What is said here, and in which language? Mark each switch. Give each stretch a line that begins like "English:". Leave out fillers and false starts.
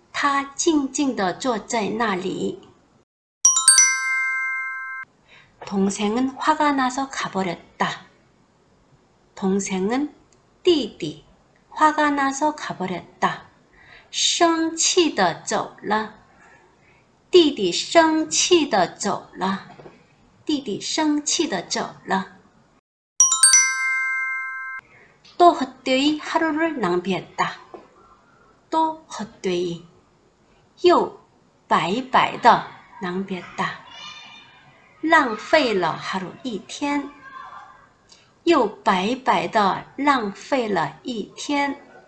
Chinese: 坐在那里。他静静的坐在那里。他静静的坐在那里。
Korean: 동생은 화가 나서 가버렸다. 동생은 띠띠 화가 나서 가버렸다.
Chinese: 生气的走了。弟弟生气的走了。弟弟生气的走了。
Korean: 또 헛되이 하루를 낭비했다. 또 헛되이
Chinese: 又 白白的
Korean: 낭비했다.
Chinese: 浪费了
Korean: 하루
Chinese: 一天. 又 白白的 浪费了 一天.